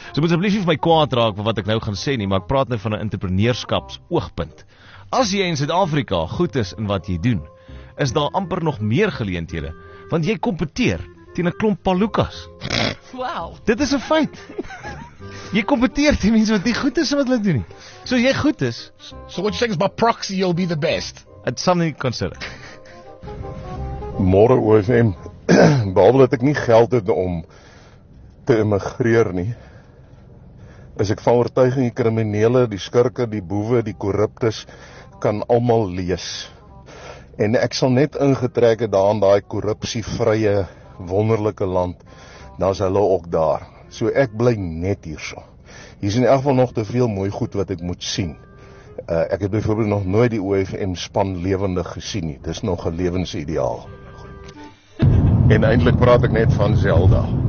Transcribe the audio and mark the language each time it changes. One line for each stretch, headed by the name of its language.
Afrikaans: So moet asseblief nie vir my kwaad raak vir wat ek nou gaan sê nie, maar ek praat nou van 'n entrepreneurskaps oogpunt. As jy in Suid-Afrika goed is in wat jy doen, is daar amper nog meer geleenthede, want jy kompeteer teen 'n klomp palookas. Wow. Dit is 'n feit. Jy kompeteer teen mense wat nie goed is in wat hulle doen nie. So as jy goed is,
English: so what you think is by proxy you'll be the best. It's something to consider.
Afrikaans: Môre OFM, behalwe dat ek nie geld het om te emigreer nie, is ek van oortuiging die kriminele, die skurke, die boewe, die korruptes kan almal lees. En ek sal net ingetrek het daar in daai korrupsievrye wonderlike land, dan is hulle ook daar. So ek bly net hierso. Hier is in elk geval nog te veel mooi goed wat ek moet sien. Ek het byvoorbeeld nog nooit die OFM span lewendig gesien nie. Dis nog 'n lewensideaal. En eindelijk praat ek net van Zelda.